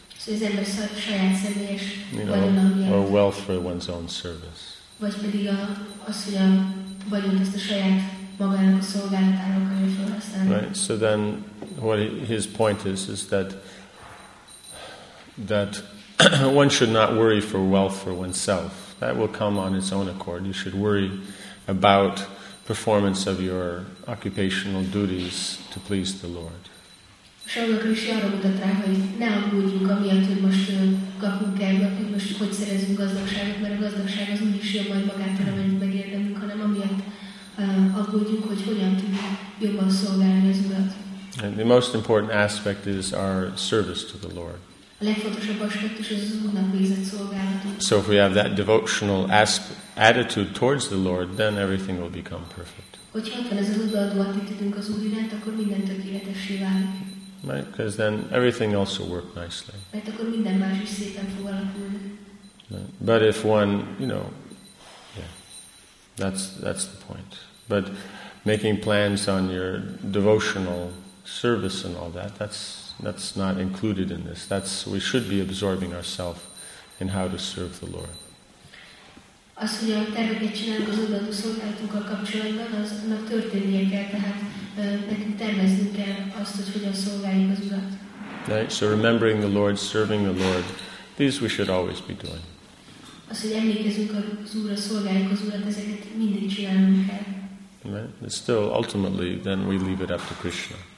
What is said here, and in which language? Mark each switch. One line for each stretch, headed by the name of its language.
Hungarian: So is ember saját személyes
English: or wealth for one's own service.
Hungarian: Vagy pedig az, hogy a vagyont ezt a saját magának a szolgálatára akarja felhasználni.
English: Right, so then what his point is that one should not worry for wealth for oneself. That will come on its own accord. You should worry about performance of your occupational duties to please the Lord.
Hungarian: Shaunaka Krishna arra mutat rá, hogy ne aggódjunk amiatt, hogy most kapunk el, hogy szerezünk gazdagságot, mert a gazdagság az úgyis jön majd magától, amennyit megérdemünk, hanem amiatt aggódjunk, hogy hogyan tudjuk jobban szolgálni az Urat.
English: And the most important aspect is our service to the Lord.
Hungarian: A legfontosabb aspektus az Úrnak végzett szolgálatunk.
English: So if we have that devotional attitude towards the Lord, then everything will become perfect.
Hungarian: Hogyha ott van ez az odaadó attitűdünk az Úr iránt, akkor minden tökéletessé válik.
English: Right, because then everything else will work nicely.
Hungarian: Mert akkor minden más is szépen fog alakulni.
English: But if one, you know, yeah, that's the point. But making plans on your devotional service and all that, that's not included in this. That's, we should be absorbing ourselves in how to serve the Lord.
Hungarian: Az, hogy a terveket csinálunk az odaadó szolgálatunkkal kapcsolatban, az annak történnie kell, tehát nekünk terveznünk kell azt, hogy hogyan szolgáljuk az Urat.
English: Right, so remembering the Lord, serving the Lord, these we should always be doing.
Hungarian: Az, hogy emlékezünk az Úrra, szolgáljuk az Urat, ezeket mindig csinálnunk kell.
English: Right? But still, ultimately, then we leave it up to Krishna.